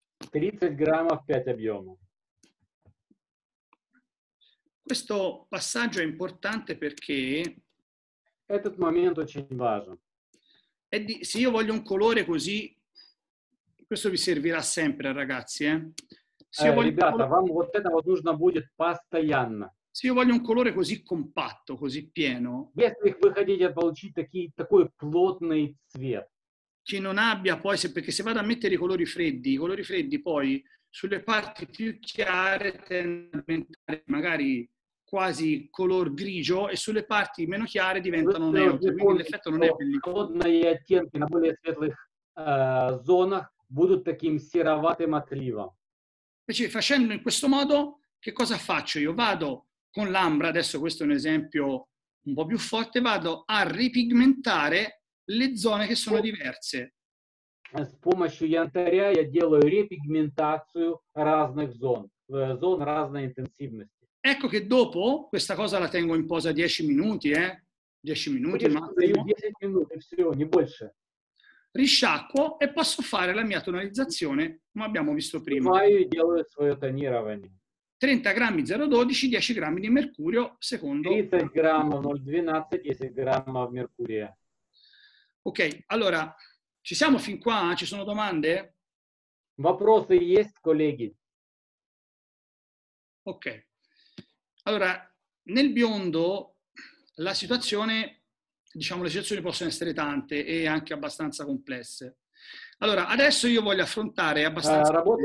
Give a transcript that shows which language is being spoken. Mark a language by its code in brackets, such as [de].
[it] 30 grammi, 5 объемi. Questo passaggio è importante perché... [ru] Этот момент очень важен. [it] Se io voglio un colore così, questo vi servirà sempre, ragazzi, eh? Se io voglio... [ru] ребята, вам вот это вот нужно будет постоянно. [it] Se io voglio un colore così compatto, così pieno, [ru] если вы хотите получить такой плотный цвет, [it] che non abbia poi, perché se vado a mettere i colori freddi poi sulle parti più chiare tendono a diventare magari quasi color grigio e sulle parti meno chiare diventano neutri, quindi l'effetto non è bellissimo. [ru] Холодные оттенки на более светлых зонах будут таким сероватым отливом. [it] Invece facendo in questo modo, che cosa faccio? Io vado con l'ambra, adesso questo è un esempio un po' più forte, vado a ripigmentare le zone che sono diverse. [ru] С помощью янтаря я делаю репигментацию разных зон, зон разной интенсивности. [it] Ecco che dopo questa cosa la tengo in posa 10 minuti, 10 minuti massimo. 10 minuti, [ru] все, не больше. [it] Risciacquo e posso fare la mia tonalizzazione, come abbiamo visto prima. Vado e [ru] делаю своё тонирование. [it] 30 grammi 0,12, 10 grammi di mercurio, secondo... 30 grammi 0,12, 10 grammi di mercurio. Ok, allora, ci siamo fin qua? Ci sono domande? [ru] Вопросы есть, [it] colleghi? Ok. Allora, nel biondo la situazione, diciamo, le situazioni possono essere tante e anche abbastanza complesse. Allora, adesso io voglio affrontare abbastanza...